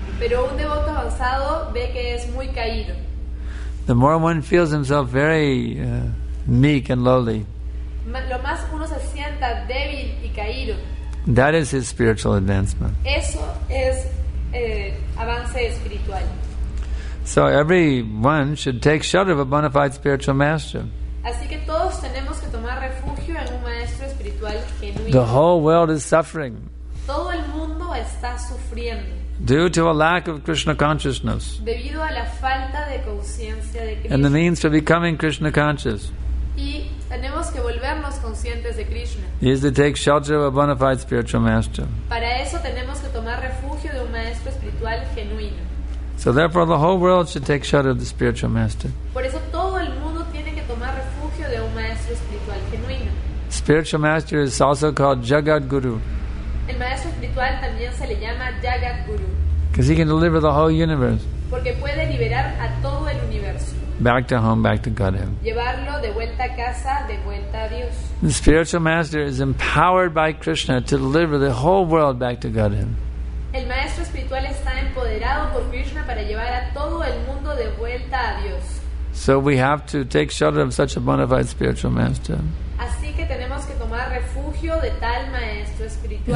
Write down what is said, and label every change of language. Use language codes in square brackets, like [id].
[es] Pero un devoto avanzado ve que es muy caído. [en] The more one feels himself very meek and lowly, [es] lo más uno se sienta débil y caído, [en] that is his spiritual advancement. [es] Eso es avance espiritual. [en] So everyone should take shelter of a bona fide spiritual master. [es] Así que todos tenemos que tomar refugio en un maestro espiritual genuino. [en] The whole world is suffering. [es] Todo el mundo está sufriendo. [en] Due to a lack of Krishna consciousness. [es] Debido a la falta de conciencia de Krishna. [en] And the means for becoming Krishna conscious. [es] Y tenemos que volvernos conscientes de Krishna. [en] Is to take shelter of a bona fide spiritual master. [es] Para eso tenemos que tomar refugio de un maestro espiritual genuino. [en] So therefore the whole world should take shelter of the spiritual master. [es] Por eso todo el mundo tiene que tomar refugio de un maestro espiritual genuino. [en] Spiritual master is also called Jagat Guru. [es] El maestro espiritual también se le llama Jagat Guru. [en] Because he can deliver the whole universe. [es] Porque puede liberar a todo el universo. [en] Back to home, back to Godhead. [es] Llevarlo de vuelta a casa, de vuelta a Dios. [en] The spiritual master is empowered by Krishna to deliver the whole world back to Godhead. [es] El maestro espiritual está empoderado por Krishna para llevar a todo el mundo de vuelta a Dios. [en] So we have to take shelter of such a bona fide spiritual master. [es] Así que tenemos que tomar refugio de tal maestro espiritual.